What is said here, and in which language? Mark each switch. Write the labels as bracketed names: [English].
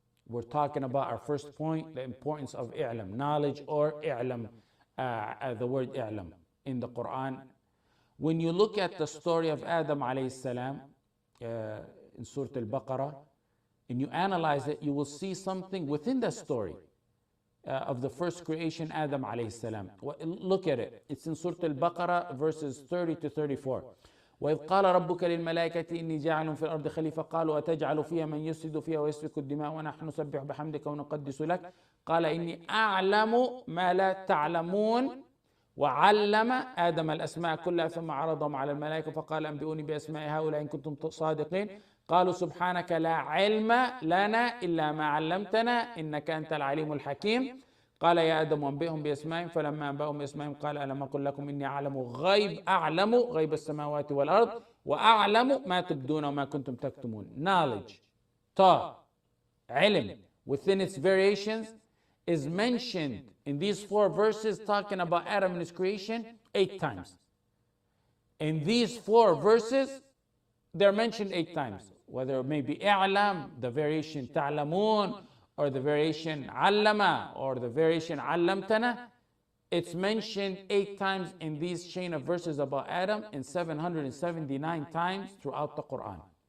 [English] We're talking about our first point, the importance of I'lam, knowledge, or I'lam, the word I'lam in the Quran. When you look at the story of Adam alayhi salam in Surah Al-Baqarah, and you analyze it, you will see something within the story of the first creation, Adam alayhi salam. Look at it. It's in Surah Al-Baqarah, verses 30 to 34. [Arabic] وَإِذْ قَالَ رَبُّكَ لِلْمَلَائِكَةِ إِنِّي جَاعِلٌ فِي الْأَرْضِ خَلِيفَةً قَالُوا أَتَجْعَلُ فِيهَا مَنْ يُسْفِكُ فِيهَا وَيَسْفِكُ الدِّمَاءَ وَنَحْنُ نُسَبِّحُ بِحَمْدِكَ وَنُقَدِّسُ لَكَ قَالَ إِنِّي أَعْلَمُ مَا لَا تَعْلَمُونَ وعلم آدم الأسماء كلها ثم عرضهم على الملائكة فقال أنبئوني بأسماء هؤلاء إن كنتم صادقين قالوا سبحانك لا علم لنا إلا ما علمتنا إنك أنت العليم الحكيم قال يا آدم أنبئهم بأسمائهم فلما أنبأهم بأسمائهم قال ألم أقل لكم إني أعلم غيب أعلم غيب السماوات والأرض وأعلم ما تبدون وما كنتم تكتمون. [English] Knowledge, ta, علم, within its variations, is mentioned in these four verses talking about Adam and his creation 8 times. In these four verses, they're mentioned 8 times. Whether it may be I'lam, the variation ta'lamun, or the variation allama, or the variation allamtana, it's mentioned 8 times in these chain of verses about Adam, and 779 times throughout the Quran.